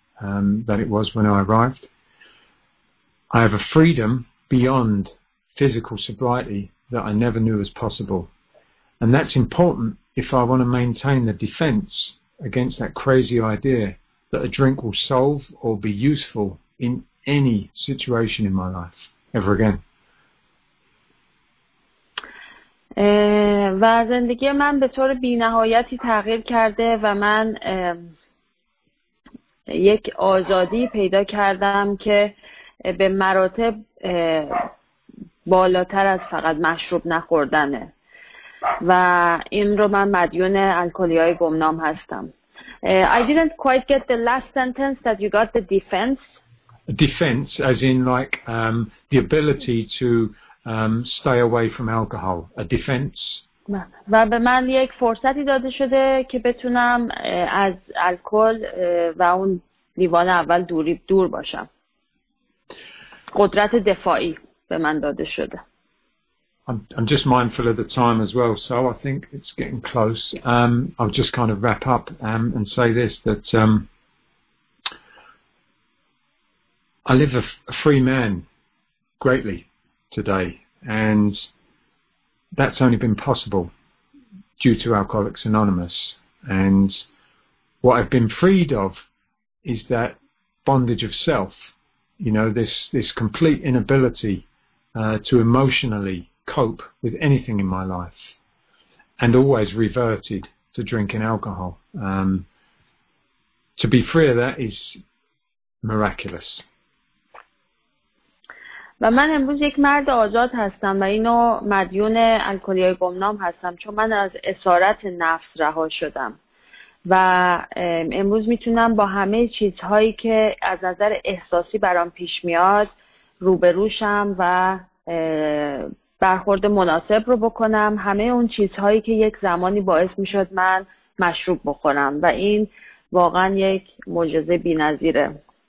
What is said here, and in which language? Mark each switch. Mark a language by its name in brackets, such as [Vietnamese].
[English] that it was when I arrived. I have a freedom beyond physical sobriety that I never knew was possible. And that's important if I want to maintain the defense against that crazy idea that a drink will solve or be useful in any situation in my life ever again. [Persian] و زندگی من به طور بی‌نهایتی تغییر کرده و من یک آزادی پیدا کردم که به مراتب بالاتر از فقط مشروب نخوردنه و این رو من مدیون الکلی‌های گمنام هستم. [English] I didn't quite get the last sentence that you got, the defense. Defense as in like the ability to stay away from alcohol, a defense. [Persian] و به من یک فرصتی داده شده که بتونم از الکل و اون لیوان اول دور باشم. قدرت دفاعی به من داده شده. [English] I'm just mindful of the time as well, so I think it's getting close. I'll just kind of wrap up and say this, that I live a free man greatly today, and that's only been possible due to Alcoholics Anonymous. And what I've been freed of is that bondage of self, you know, this complete inability to emotionally cope with anything in my life, and always reverted to drinking alcohol. To be free of that is miraculous. [Persian] و من امروز یک مرد آزاد هستم و اینو مدیون الکلی های گمنام هستم چون من از اسارت نفس رها شدم و امروز میتونم با همه چیزهایی که از نظر احساسی برام پیش میاد روبروشم و برخورد مناسب رو بکنم، همه اون چیزهایی که یک زمانی باعث میشد من مشروب بخورم و این واقعا یک معجزه بی نظیره.